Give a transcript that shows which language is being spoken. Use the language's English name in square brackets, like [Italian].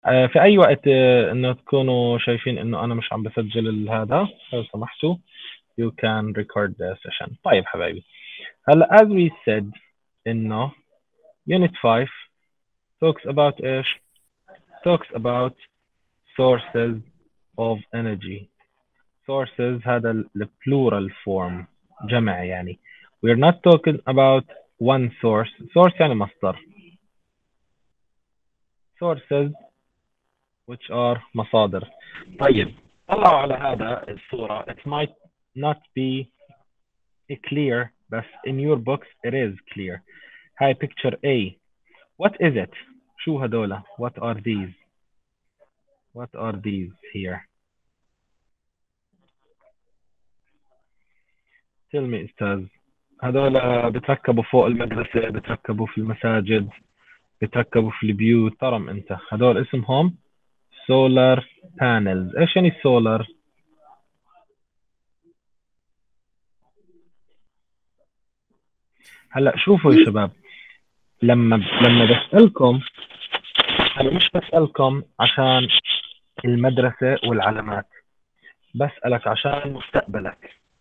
[Arabic] في أي وقت إنه تكونوا شايفين إنه أنا مش عم بسجل هذا، لو سمحتوا [English] you can record the session. [Arabic] طيب حبايبي، هلا [English] as we said [Arabic] إنه [English] unit 5 talks about [Arabic] إيش؟ [English] talks about sources of energy. sources [Arabic] هذا ال [English] plural form، [Arabic] جمع يعني. [English] we are not talking about one source. [Arabic] source يعني مصدر. [English] sources which are [Arabic] مصادر. طيب طلعوا على هذا الصورة. [English] it might not be clear [Arabic] بس [English] in your books it is clear. [Arabic] هاي [English] picture A. what is it؟ [Arabic] شو هذولا؟ [English] what are these؟ what are these here؟ tell me أستاذ. [Arabic] هذولا بتركبوا فوق المدرسة، بتركبوا في المساجد، بتركبوا في البيوت. طرم انت، هذول اسمهم [English] solar panels. [Arabic] ايش يعني solar؟ هلا شوفوا يا شباب، لما بسألكم انا مش بسألكم عشان المدرسه والعلامات، بسألك عشان مستقبلك.